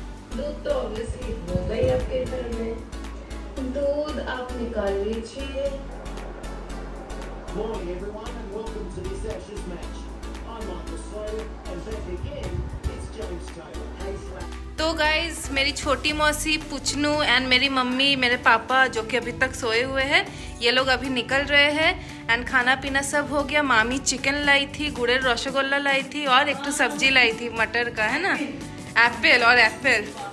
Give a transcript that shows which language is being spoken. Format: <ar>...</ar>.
<hi>दूध, तो ऑब्वियसली होगा ही आपके घर में। दूध आप निकाल लीजिए।</hi> <en>Morning everyone and welcome to this Ashes match. I'm Arthur Slade and back again, it's James Taylor. Hey Slade.</en> <hi>तो गाइज मेरी छोटी मौसी पुचनू एंड मेरी मम्मी मेरे पापा जो कि अभी तक सोए हुए हैं ये लोग अभी निकल रहे हैं एंड खाना पीना सब हो गया। मामी चिकन लाई थी, गुड़ेर रसगुल्ला लाई थी और एक तो सब्जी लाई थी मटर का, है ना, एप्पल और एप्पल।</hi>